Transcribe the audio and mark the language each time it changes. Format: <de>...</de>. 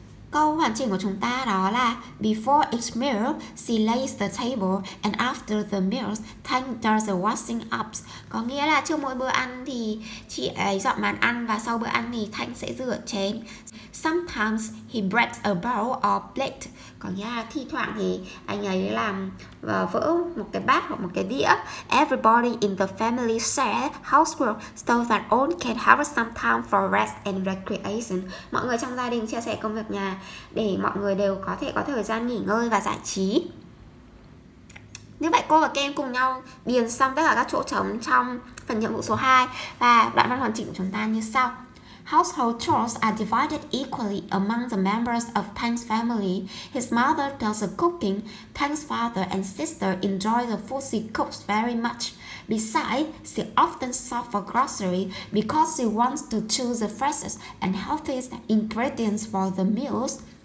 <vi>Câu hoàn chỉnh của chúng ta đó là</vi> <en>before each meal, she lays the table, and after the meal, Thanh does the washing up.</en> <vi>Có nghĩa là trước mỗi bữa ăn thì chị ấy dọn bàn ăn, và sau bữa ăn thì Thanh sẽ rửa chén.</vi> <en>Sometimes he breaks a bowl or plate.</en> <vi>Có nghĩa là thi thoảng thì anh ấy làm vỡ một cái bát hoặc một cái đĩa.</vi> <en>Everybody in the family share housework so that all can have some time for rest and recreation.</en> <vi>Mọi người trong gia đình chia sẻ công việc nhà để mọi người đều có thể có thời gian nghỉ ngơi và giải trí. Như vậy cô và Kem cùng nhau điền xong tất cả các chỗ trống trong phần nhiệm vụ số 2 và đoạn văn hoàn chỉnh của chúng ta như sau.</vi> <en>Household chores are divided equally among the members of Tang's family. His mother does the cooking, Tang's father and sister enjoy the food she cooks very much. Besides, she often shops for grocery because she wants to choose the freshest and healthiest ingredients for the meals.</en>